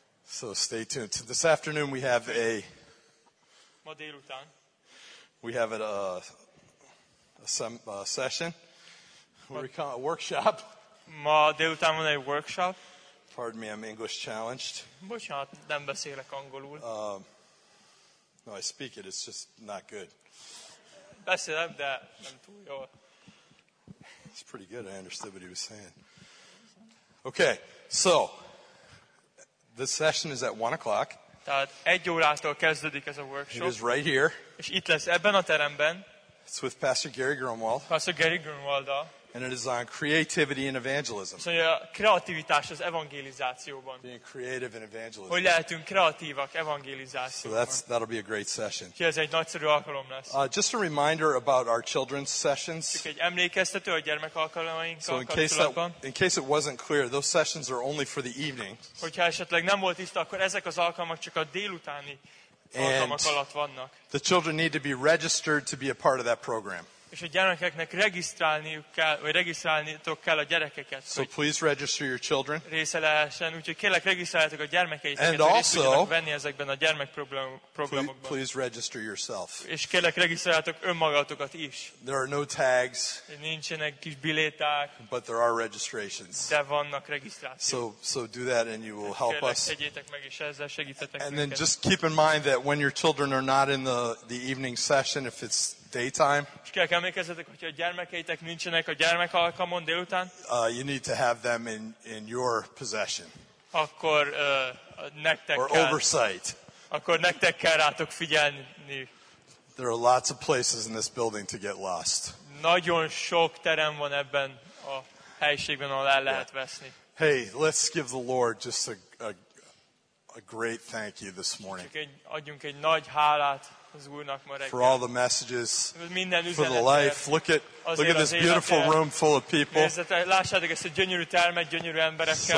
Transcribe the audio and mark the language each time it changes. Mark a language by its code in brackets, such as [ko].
[en] So stay tuned. So this afternoon we have a... [hu] Ma délután. [en] We have a session. What do we call it? A workshop. [hu] Ma délután van egy workshop. [en] Pardon me, I'm English challenged. [hu] Bocsánat, nem beszélek angolul. [en] No, I speak it. It's just not good. [hu] Beszélem, de nem túl jó. [en] It's pretty good. I understood what he was saying. Okay, so the session is at 1 o'clock. [hu] Tehát 1 órától kezdődik ez a workshop. [en] It is right here. [hu] És itt lesz ebben a teremben. [en] It's with Pastor Gary Grunwald. [hu] Pastor Gary Grunwald. [en] And it is on creativity and evangelism. [hu] Szóval kreativitás az evangelizációban. [en] Being creative and evangelism. [hu] Hogy lehetünk kreatívak evangelizációban. [en] So that'll be a great session. [hu] Ez egy nagyszerű alkalom lesz. [en] Just a reminder about our children's sessions. [hu] Csak egy emlékeztető a gyermek alkalmaink. [en] So in case it wasn't clear, those sessions are only for the evening. [hu] Hogyha esetleg nem volt tiszta, akkor ezek az alkalmak csak a délutáni alkalmak alatt vannak. [en] The children need to be registered to be a part of that program. [hu] És a gyerekeknek regisztrálniuk kell, vagy regisztrálniuk kell a gyerekeket. [en] So please register your children. [hu] Része lehessen, úgyhogy kérlek regisztráljátok a gyermekeiteket, hogy részt tudjanak venni ezekben a gyermek programokban. [en] Please register yourself. [hu] És kérlek regisztráljátok önmagatokat is. [en] There are no tags. [hu] Nincsenek kis biléták. [en] But there are registrations. [hu] De vannak regisztrációk. [en] So do that and you will help us. [hu] Kérlek tegyétek meg és ezzel segítetek minket. [en] And then just keep in mind that when your children are not in the evening session, if it's daytime. [hu] És kell emlékezzetek, hogyha a gyermekeitek nincsenek a gyermek alkalmon délután. [en] You need to have them in your possession. [hu] Akkor nektek [en] or [hu] kell. [en] Oversight. [hu] Akkor nektek kell rátok figyelni. [en] There are lots of places in this building to get lost. [hu] Nagyon sok terem van ebben a helyiségben, ahol el lehet veszni. [en] Hey, let's give the Lord just a great thank you this morning. [hu] Adjunk egy nagy hálát. [en] For all the messages, [hu] minden [en] for the life. Look at this beautiful room full of people. [hu] Lássátok ezt a gyönyörű termet, gyönyörű emberekkel.